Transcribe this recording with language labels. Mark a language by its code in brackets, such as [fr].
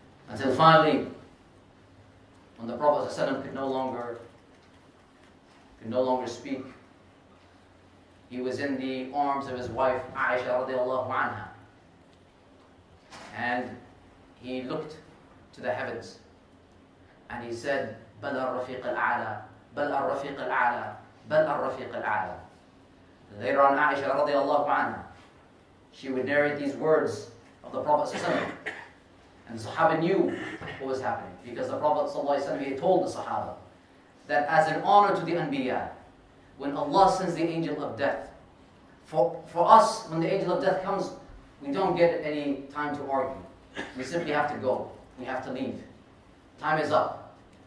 [en] Until finally, when the Prophet ﷺ could no longer speak, he was in the arms of his wife Aisha radiallahu anha, and he looked to the heavens, And he said, [ar] بَلَ الرَّفِيقَ الْعَلَى بَلَ الرَّفِيقَ الْعَلَى بَلَ الرَّفِيقَ الْعَلَى. [en] Later on, Aisha radiallahu anha, she would narrate these words of the Prophet and the Sahaba knew what was happening, because the Prophet he told the Sahaba that as an honor to the Anbiya, when Allah sends the angel of death, for us, when the angel of death comes, we don't get any time to argue. We simply have to go. We have to leave. Time is up.